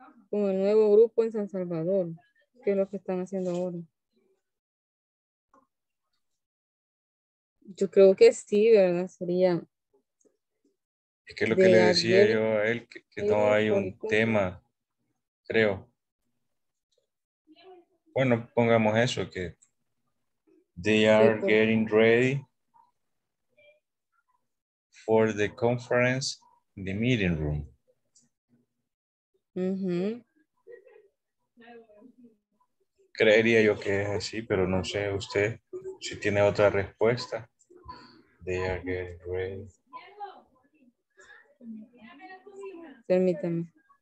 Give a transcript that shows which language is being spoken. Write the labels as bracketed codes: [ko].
[es] Con el nuevo grupo en San Salvador. ¿Qué es lo que están haciendo ahora? Yo creo que sí, ¿verdad? Sería. Es que lo que le decía yo a él, que no hay un tema, creo. Bueno, pongamos eso, que [en] they are getting ready for the conference in the meeting room. [es] Creería yo que es así, pero no sé usted si tiene otra respuesta. [en] They are getting ready. [es] Permítame.